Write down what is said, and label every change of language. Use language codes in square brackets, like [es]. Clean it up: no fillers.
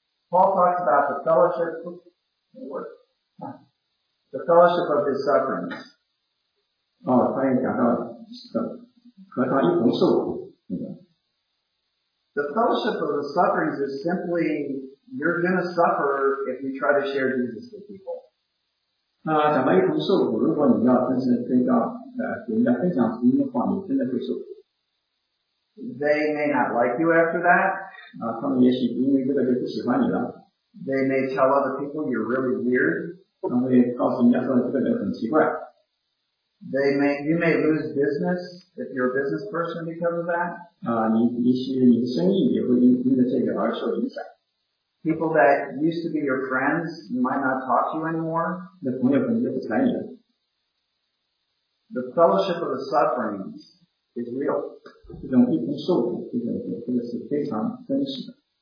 [en] Paul talks about the fellowship, the fellowship of his sufferings. [zh] 哦，他也讲到和他一同受苦。 [en] The fellowship of the sufferings is simply you're going to suffer if you try to share Jesus with people. [zh] 讲到一同受苦，如果你要真是跟人家分享福音的话，你真的会受苦。 [en] They may not like you after that. [zh] 他们也许因为这个就不喜欢你了。 [en] They may tell other people you're really weird. [zh] 他会告诉人家说这个人很奇怪。 [en] You may lose business if you're a business person because of that. [zh] 你的生意也会因为这个而受影响。 [en] People that used to be your friends might not talk to you anymore. [zh] 那朋友可能就不睬你了。 [en] The fellowship of the sufferings is real. [zh] 这种一同受苦，这个是非常真实的。